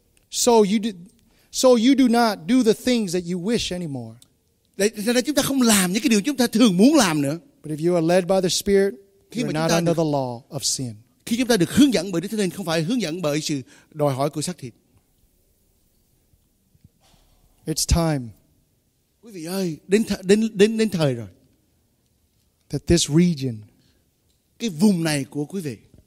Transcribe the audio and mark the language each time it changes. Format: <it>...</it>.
<en>So you do not do the things that you wish anymore.</en> <vi>Để chúng ta không làm những cái điều chúng ta thường muốn làm nữa.</vi> <en>But if you are led by the Spirit, you're not under the law of sin.</en> <vi>Khi chúng ta được hướng dẫn bởi Đức Thánh Linh, không phải hướng dẫn bởi sự đòi hỏi của xác thịt.</vi> <en>It's time.</en> <vi>Quý vị ơi, đến thời rồi.</vi> <en>That this region,</en> <vi>cái vùng này của quý vị.</vi>